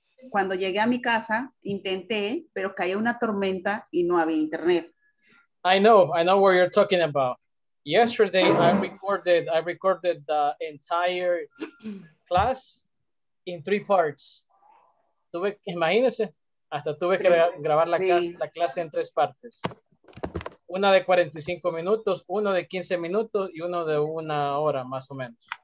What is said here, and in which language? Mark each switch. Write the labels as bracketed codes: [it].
[es] Cuando llegué a mi casa, intenté, pero cayó una tormenta y no había internet. [en] I know what you're talking about. Yesterday, I recorded the entire class in three parts. [es] Tuve, imagínese, hasta tuve que grabar la, sí. la clase en tres partes. Una de 45 minutos, uno de 15 minutos y uno de una hora, más o menos.